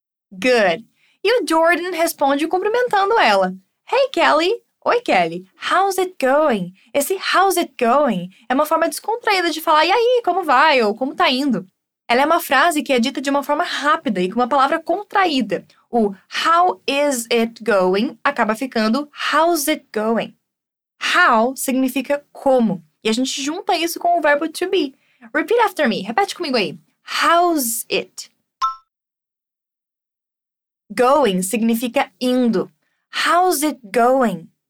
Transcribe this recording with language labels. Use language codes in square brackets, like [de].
[pt] Good. E o Jordan responde cumprimentando ela. Hey, Kelly. Oi, Kelly. [en] How's it going? [pt] Esse [en] how's it going [pt] é uma forma descontraída de falar e aí, como vai? Ou como tá indo? Ela é uma frase que é dita de uma forma rápida e com uma palavra contraída. O [en] how is it going [pt] acaba ficando [en] how's it going. [pt] How significa como. E a gente junta isso com o verbo to be. [en] Repeat after me. [pt] Repete comigo aí. [en] How's it? [pt] Going significa indo. [en] How's it going?